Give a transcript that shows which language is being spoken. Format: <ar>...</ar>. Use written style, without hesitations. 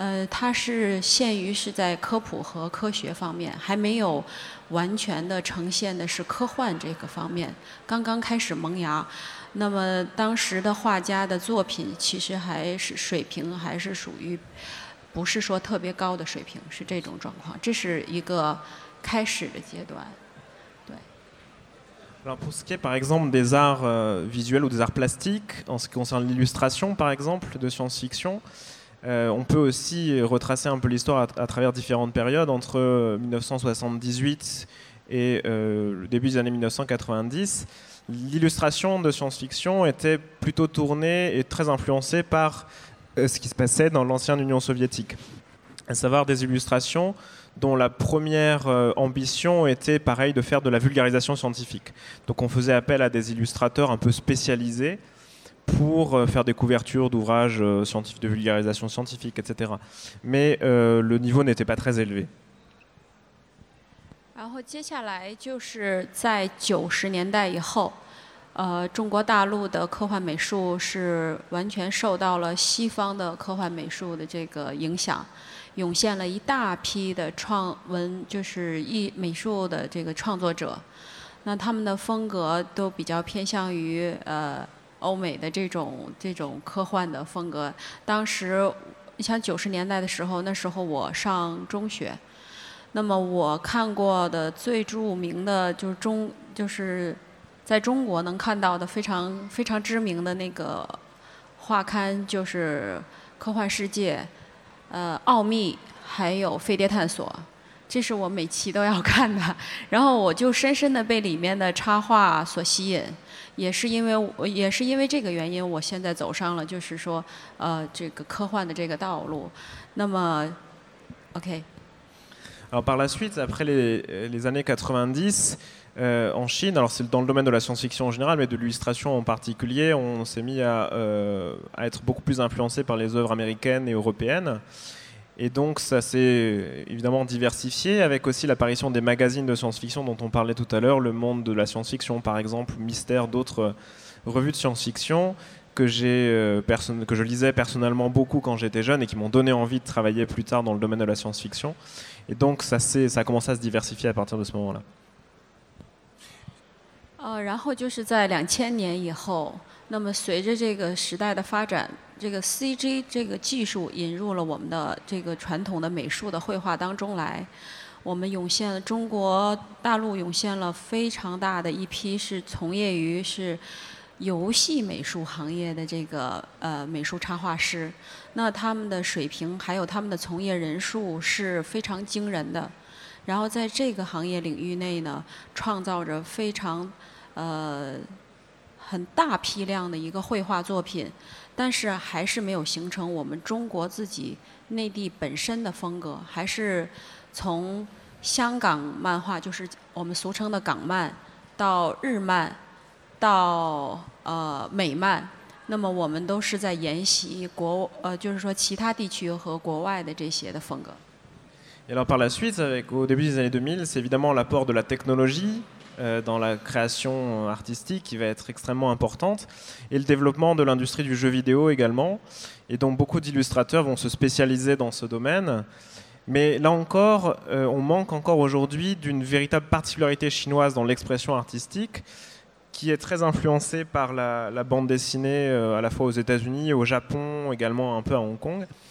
<zh>它是限于是在科普和科学方面，还没有完全的呈现的是科幻这个方面，刚刚开始萌芽。那么当时的画家的作品其实还是水平还是属于不是说特别高的水平，是这种状况，这是一个开始的阶段。</zh> <fr>Alors pour ce qui est par exemple des arts visuels ou des arts plastiques, en ce qui concerne l'illustration par exemple de science-fiction,on peut aussi retracer un peu l'histoire à travers différentes périodes. Entre 1978 et le début des années 1990, l'illustration de science-fiction était plutôt tournée et très influencée par ce qui se passait dans l'ancienne Union soviétique, à savoir des illustrations dont la première ambition était, pareil, de faire de la vulgarisation scientifique. Donc on faisait appel à des illustrateurs un peu spécialisés pour faire des couvertures d'ouvrages scientifiques, de vulgarisation scientifique, etc. Mais le niveau n'était pas très élevé. Alors,</fr> <zh>接下来就是在90年代以后，中国大陆的科幻美术是完全受到了西方的科幻美术的这个影响，涌现了一大批的创文，就是美术的这个创作者。那他们的风格都比较偏向于欧美的这种科幻的风格。当时你像90年代的时候，那时候我上中学，那么我看过的最著名的就是在中国能看到的非常非常知名的那个画刊，就是科幻世界、奥秘还有飞碟探索，这是我每期都要看的。然后我就深深的被里面的插画所吸引，也是因为这个原因，我现在走上了就是说这个科幻的这个道路。那么 OK。</zh> <fr>Alors par la suite, après les années 90, en Chine, alors c'est dans le domaine de la science-fiction en général, mais de l'illustration en particulier, on s'est mis à être beaucoup plus influencé par les œuvres américaines et européennes. Et donc ça s'est évidemment diversifié avec aussi l'apparition des magazines de science-fiction dont on parlait tout à l'heure, Le Monde de la science-fiction par exemple, Mystère, d'autres revues de science-fiction que je lisais personnellement beaucoup quand j'étais jeune et qui m'ont donné envie de travailler plus tard dans le domaine de la science-fiction. Et donc ça a commencé à se diversifier à partir de ce moment-là.</fr> <zh>然后就是在2000年以后，那么随着这个时代的发展，这个 CG 这个技术引入了我们的这个传统的美术的绘画当中来，我们涌现了中国大陆涌现了非常大的一批是从业于是游戏美术行业的这个美术插画师，那他们的水平还有他们的从业人数是非常惊人的，然后在这个行业领域内呢，创造着非常很大批量的一个绘画作品，但是还是没有形成我们中国自己内地本身的风格，还是从香港漫画，就是我们俗称的港漫，到日漫，到美漫，那么我们都是在沿袭国就是说其他地区和国外的这些的风格。</zh> <fr>Et alors par la suite, avec, au début des années 2000, c'est évidemment l'apport de la technologie dans la création artistique qui va être extrêmement importante, et le développement de l'industrie du jeu vidéo également, et donc beaucoup d'illustrateurs vont se spécialiser dans ce domaine. Mais là encore, on manque encore aujourd'hui d'une véritable particularité chinoise dans l'expression artistique, qui est très influencée par la bande dessinée à la fois aux États-Unis, au Japon, également un peu à Hong Kong.</fr>